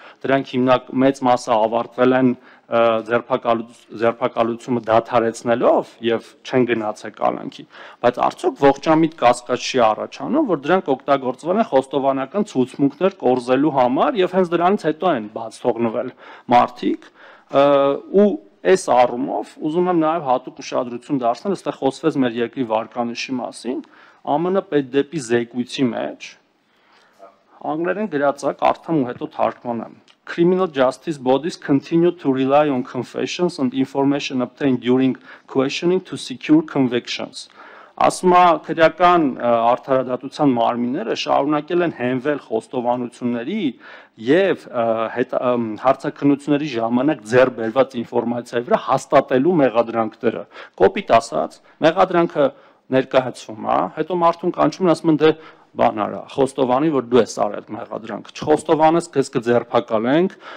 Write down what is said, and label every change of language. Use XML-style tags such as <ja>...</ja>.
<hy>դրանք հիմնակ մեծ մասը ավարտվել են ձերբակալությունը դադարեցնելով եւ չեն գնացել կալանքի, բայց արդյոք ողջամիտ կասկած չի առաջանում, որ դրանք օգտագործվում են խոստովանական ցուցմունքներ կորզելու համար եւ հենց դրանից հետո են բաց թողնվել մարդիկ, ու այս առումով ուզում եմ նաեւ հատուկ ուշադրություն դարձնել, այստեղ խոսվեց մեր երկրի վարկանիշի մասին, ԱՄՆ պետդեպի զեկույցի մեջ անգլերեն գրած է, կարդամ ու հետո թարգմանեմ.</hy> <en>Criminal justice bodies continue to rely on confessions and information obtained during questioning to secure convictions.</en> <hy>Ասում է, քրեական արդարադատության մարմինները շարունակել են հենվել խոստովանությունների եւ հարցաքննությունների ժամանակ ձեռք բերված ինֆորմացիայի վրա հաստատելու մեղադրանքները։ Կոպիտ ասած, մեղադրանքը ներկայացվում է, հետո մարդուն կանչում են, ասում են, դե բան արա, խոստովանի, որ դու ես արել մեղադրանք, չխոստովանես, քեզ կձերբակալենք,</hy>